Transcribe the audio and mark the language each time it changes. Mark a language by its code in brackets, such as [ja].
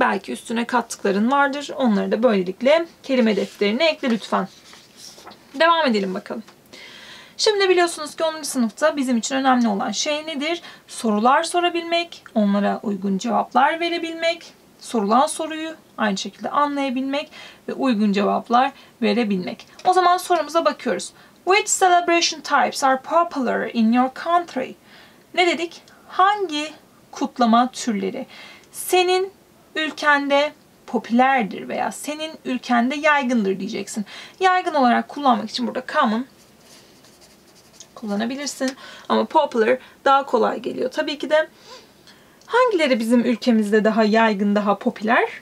[tr] Belki üstüne kattıkların vardır. Onları da böylelikle kelime defterine ekle lütfen. Devam edelim bakalım. Şimdi biliyorsunuz ki 10. sınıfta bizim için önemli olan şey nedir? Sorular sorabilmek, onlara uygun cevaplar verebilmek, sorulan soruyu aynı şekilde anlayabilmek ve uygun cevaplar verebilmek. O zaman sorumuza bakıyoruz. [en] Which celebration types are popular in your country? [tr] Ne dedik? Hangi kutlama türleri senin ülkende popülerdir veya senin ülkende yaygındır diyeceksin. Yaygın olarak kullanmak için burada common kullanabilirsin. Ama popular daha kolay geliyor. Tabii ki de hangileri bizim ülkemizde daha yaygın, daha popüler?